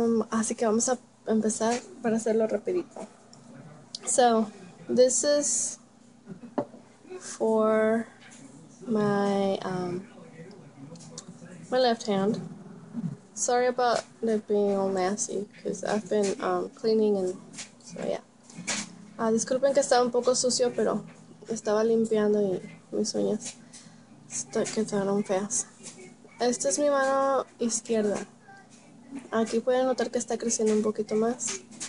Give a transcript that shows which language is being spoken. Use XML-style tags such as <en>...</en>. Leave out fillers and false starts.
<es>Así que vamos a empezar para hacerlo rapidito.</es> <en>So, this is for my my left hand. Sorry about it being all nasty because I've been cleaning and so yeah.</en> <es>Disculpen que estaba un poco sucio, pero estaba limpiando y mis uñas quedaron feas. Esta es mi mano izquierda. Aquí pueden notar que está creciendo un poquito más.</es>